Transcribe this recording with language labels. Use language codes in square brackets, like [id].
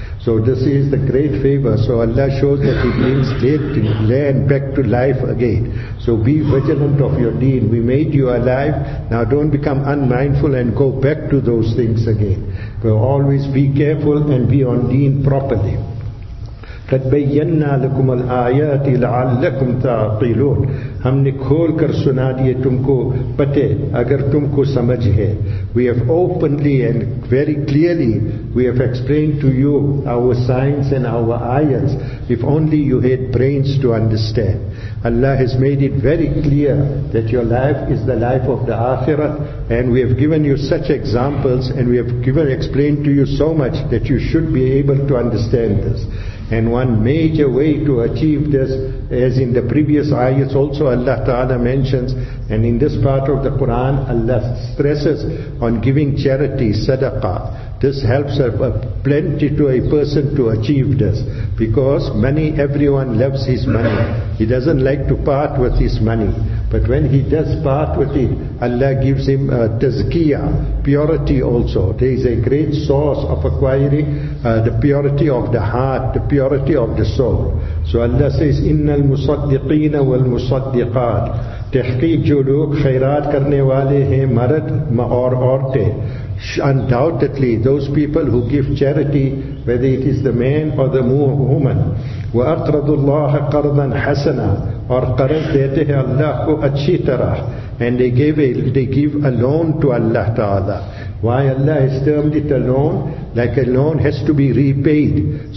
[en] So this is the great favor. So Allah shows that He brings dead land back to life again. So be vigilant of your deen. We made you alive. Now don't become unmindful and go back to those things again. But always be careful and be on deen properly. [ar] قَدْ بَيَّنَّا لَكُمَ الْآيَاتِ لَعَلَّكُمْ تَعْقِلُونَ. [ur] ہم نے کھول کر سنا دیئے تم کو پتے اگر تم کو سمجھ ہے. [en] We have openly and very clearly we have explained to you our signs and our ayats. If only you had brains to understand. Allah has made it very clear that your life is the life of the akhirah, and we have given you such examples and we have explained to you so much that you should be able to understand this. And one major way to achieve this, as in the previous ayats also Allah Ta'ala mentions, and in this part of the Quran, Allah stresses on giving charity, sadaqah. This helps plenty to a person to achieve this. Because money, everyone loves his money. He doesn't like to part with his money. But when he does part with it, Allah gives him tazkiyah, purity also. There is a great source of acquiring the purity of the heart, the purity of the soul. So Allah says, [ar] إِنَّ الْمُصَدِّقِينَ وَالْمُصَدِّقَاتِ. [ur] تحقیق جو لوگ خیرات کرنے والے ہیں مرد اور عورتیں. [en] Undoubtedly, those people who give charity, whether it is the man or the woman, [ar] وَأَقْرَضُ اللَّهَ قَرْضًا حَسَنًا, [en] or [ur] قَرَضْ دَيْتَ هَا اللَّهُ أَچِّي طَرَحْ, [en] and they give a loan to Allah Ta'ala. Why Allah has termed it a loan? Like a loan has to be repaid.